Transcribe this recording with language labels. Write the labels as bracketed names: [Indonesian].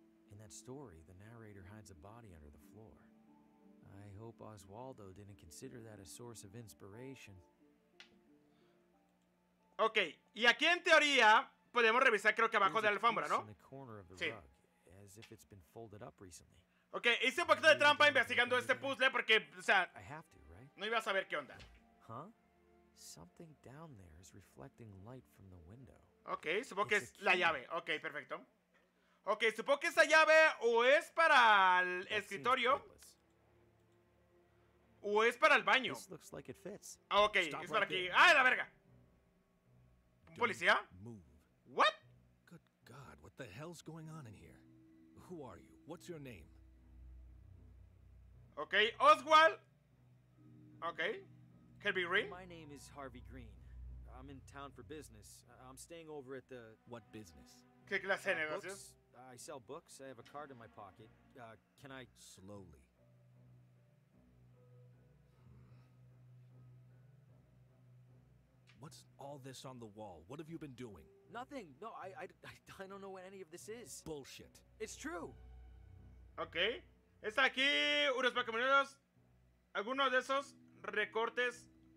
[English] In that story, the narrator hides a body under the floor. I hope Oswaldo didn't consider that a source of inspiration. Ok. [Spanish] Y aquí en teoría podemos revisar creo que abajo de la alfombra, ¿no? [English] In the corner of the sí. Rug, as if it's been folded up recently. [Spanish] Ok, hice un poquito de trampa investigando este puzzle porque, o sea, no iba a saber qué onda. Huh? [English] Something down there is reflecting light from the window. [Spanish] Ok, supongo que es la llave. Ok, perfecto. Ok, supongo que esa llave o es para el escritorio o es para el baño. Ok, es para aquí. ¡Ah, la verga! ¿Un policía? [English] What? Good God, what the hell's going on in here? Who are you? What's your name? Okay, Oswald. Okay, Harvey Green. My name is Harvey Green. I'm in town for business. I'm staying over at the... What business? [Spanish] ¿Qué clase de negocios? [English] I sell books. I have a card in my pocket. Can I... Slowly. What's all this on the wall? What have you been doing? Nothing. No, I don't know what any of this is. Bullshit. It's true. Okay. [Spanish] Está aquí unos pacamoneros. Algunos de esos recortes